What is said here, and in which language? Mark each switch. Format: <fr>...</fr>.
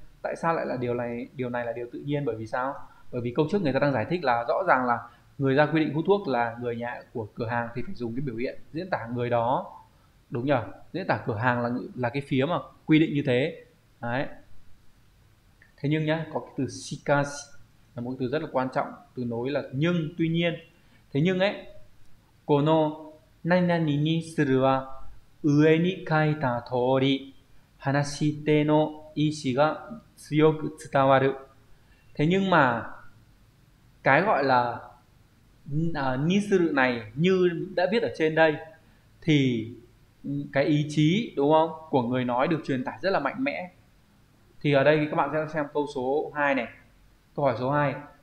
<vi>Tại sao lại là điều này là điều tự nhiên, bởi vì sao? Bởi vì câu trước người ta đang giải thích là rõ ràng là người ra quy định hút thuốc là người nhà của cửa hàng thì phải dùng cái biểu hiện diễn tả người đó. Đúng nhỉ? Diễn tả cửa hàng là cái phía mà quy định như thế. Đấy. Thế nhưng nhá, có cái từ shikashi là một từ rất là quan trọng, từ nối là nhưng, tuy nhiên. Thế nhưng ấy,</vi> <ja>この何々にするは上に書いた通り話し手の意思が強く伝わる。</ja> <vi>Thế nhưng mà cái gọi là ni sự này như đã viết ở trên đây thì cái ý chí đúng không của người nói được truyền tải rất là mạnh mẽ. Thì ở đây các bạn sẽ xem câu số 2 này. Câu hỏi số 2.</vi>